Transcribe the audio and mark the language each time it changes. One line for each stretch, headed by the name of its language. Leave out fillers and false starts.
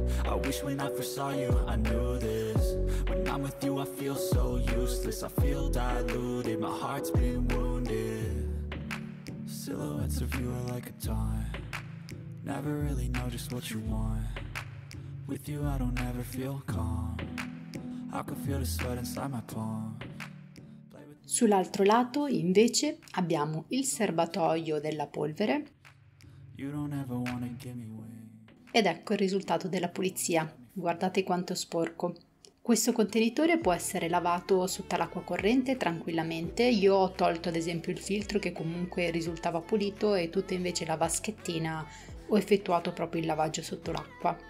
English: I wish when I first saw you, I knew this. When I'm with you, I feel so useless. I feel diluted, my heart's been wounded. Silhouettes of you are like a time. Never really know just what you want. With you I don't ever feel calm. I can feel the sweat inside my palm.
Italian: Sull'altro lato invece abbiamo il serbatoio della polvere.
English: You don't ever wanna give me away.
Italian: Ed ecco il risultato della pulizia. Guardate quanto sporco. Questo contenitore può essere lavato sotto l'acqua corrente tranquillamente. Io ho tolto ad esempio il filtro che comunque risultava pulito e tutta invece la vaschettina ho effettuato proprio il lavaggio sotto l'acqua.